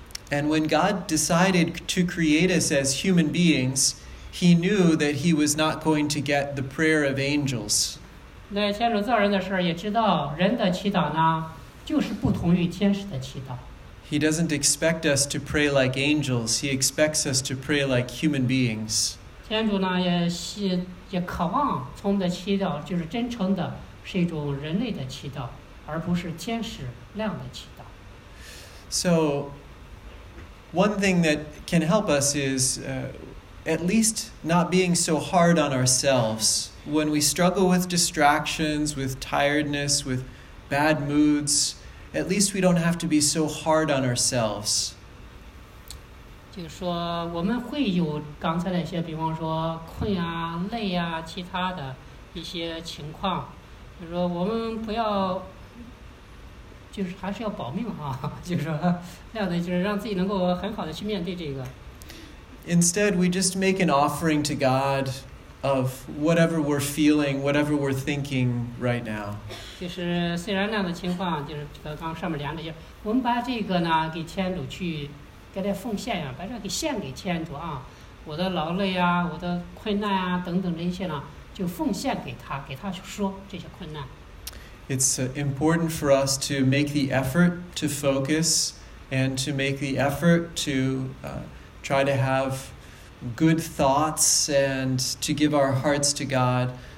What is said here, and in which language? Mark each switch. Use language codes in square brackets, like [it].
[en] And when God decided to create us as human beings, He knew that He was not going to get the prayer of angels. [zh] 那天主造人的时候也知道，人的祈祷呢，就是不同于天使的祈祷。 [en] He doesn't expect us to pray like angels. He expects us to pray like human beings. [zh] 天主呢也渴望从我们的祈祷就是真诚的，是一种人类的祈祷，而不是天使那样的祈祷。 [en] So, one thing that can help us is at least not being so hard on ourselves. When we struggle with distractions, with tiredness, with bad moods, at least we don't have to be so hard on ourselves. [zh] 就是说我们会有刚才那些比方说困啊、累啊、其他的一些情况，就是说我们不要就是还是要保命啊，就是那样的，就是让自己能够很好的去面对这个。 [en] Instead, we just make an offering to God of whatever we're feeling, whatever we're thinking right now. [zh] 就是虽然那样的情况，就是刚刚上面量的，就我们把这个呢给天主去给他奉献呀，把这个给献给天主啊，我的劳累啊，我的困难啊等等这些呢，就奉献给他，给他去说这些困难。 [en] It's important for us to make the effort to focus and to make the effort to try to have good thoughts and to give our hearts to God.